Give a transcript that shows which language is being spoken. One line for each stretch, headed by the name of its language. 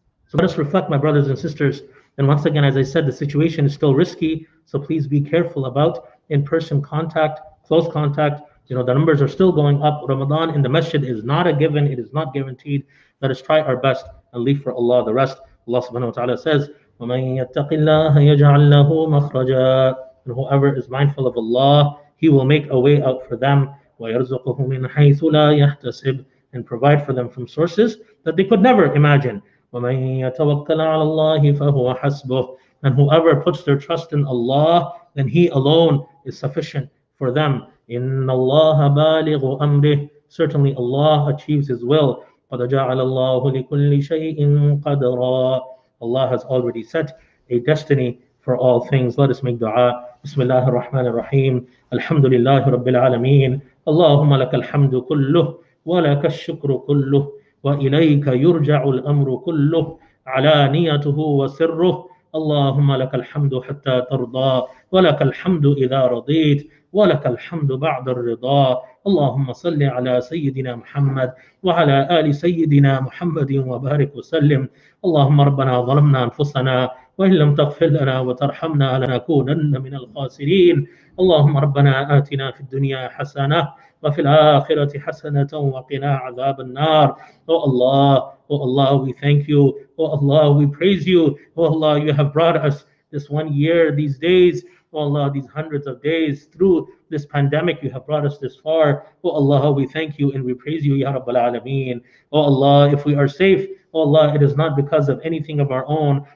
English: So let us reflect, my brothers and sisters. And once again, as I said, the situation is still risky. So please be careful about in-person contact, close contact. You know, the numbers are still going up. Ramadan in the masjid is not a given. It is not guaranteed. Let us try our best and leave for Allah the rest. Allah subhanahu wa ta'ala says,
Arabic: وَمَن يَتَّقِ اللَّهَ يَجْعَلْ لَهُ مَخْرَجًا.
English: And whoever is mindful of Allah, he will make a way out for them.
Arabic: وَيَرْزُقُهُ مِنْ حَيْثُ لَا يَحْتَسِبْ.
English: And provide for them from sources that they could never imagine.
Arabic: وَمَن يَتَوَكَّلْ عَلَى اللَّهِ فَهُوَ حَسْبُهُ.
English: And whoever puts their trust in Allah, then he alone is sufficient for them.
Arabic: إِنَّ اللَّهَ بَالِغُ أَمْرِهِ.
English: Certainly Allah achieves His will.
Arabic: قَدْ جَعَلَ اللَّهُ لِكُلِّ شَيْءٍ قَدْرًا.
English: Allah has already set a destiny for all things. Let us make dua.
Arabic: بسم الله الرحمن الرحيم. الحمد لله رب العالمين. اللهم لك الحمد كله ولك الشكر كله وإليك يرجع الأمر كله علانيته وسره. اللهم لك الحمد حتى ترضى ولك الحمد إذا رضيت ولك الحمد بعد الرضا. اللهم صل على سيدنا محمد وعلى آل سيدنا محمد وبارك وسلم. اللهم ربنا ظلمنا أنفسنا وإن لم تغفر لنا وترحمنا لنكونن من الخاسرين. اللهم ربنا آتنا في الدنيا حسنة وفي الآخرة حسنة وقنا عذاب النار.
English: Oh Allah, oh Allah, we thank you. Oh Allah, we praise you. Oh Allah, you have brought us this one year, these days. Oh Allah, these hundreds of days through this pandemic, you have brought us this far. Oh Allah, we thank you and we praise you, Ya Rabbal Alameen. Oh Allah, if we are safe, oh Allah, it is not because of anything of our own.